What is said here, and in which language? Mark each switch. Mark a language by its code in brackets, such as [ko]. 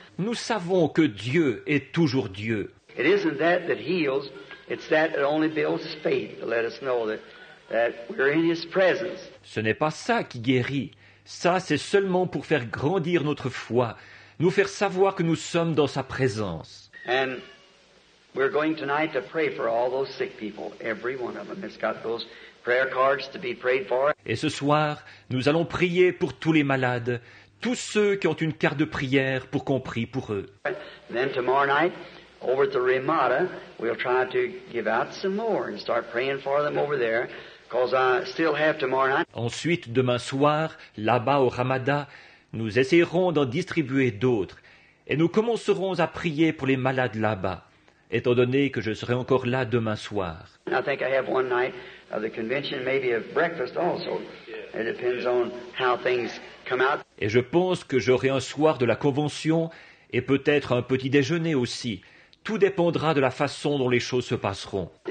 [fr] Nous savons que Dieu est toujours Dieu. [en] It isn't that that heals, it's that it only builds faith to let us know that we're in his presence. [fr] Ce n'est pas ça qui guérit. Ça, c'est seulement pour faire grandir notre foi, nous faire savoir que nous sommes dans sa présence. [en] And we're going tonight to pray for all those sick people, every one of them. It's got those prayer cards to be prayed for. [fr] Et ce soir, nous allons prier pour tous les malades, tous ceux qui ont une carte de prière pour qu'on prie pour eux. [en] And then tomorrow night, over at the Ramada, we'll try to give out some more and start praying for them over there, because I still have tomorrow night. [fr] Ensuite, demain soir, là-bas au Ramada, nous essaierons d'en distribuer d'autres, et nous commencerons à prier pour les malades là-bas, étant donné que je serai encore là demain soir. [en] I think I have one night of the convention, maybe of breakfast also. It depends on how things come out. [fr] Et je pense que j'aurai un soir de la convention et peut-être un petit déjeuner aussi. Tout dépendra de la façon dont les choses se passeront.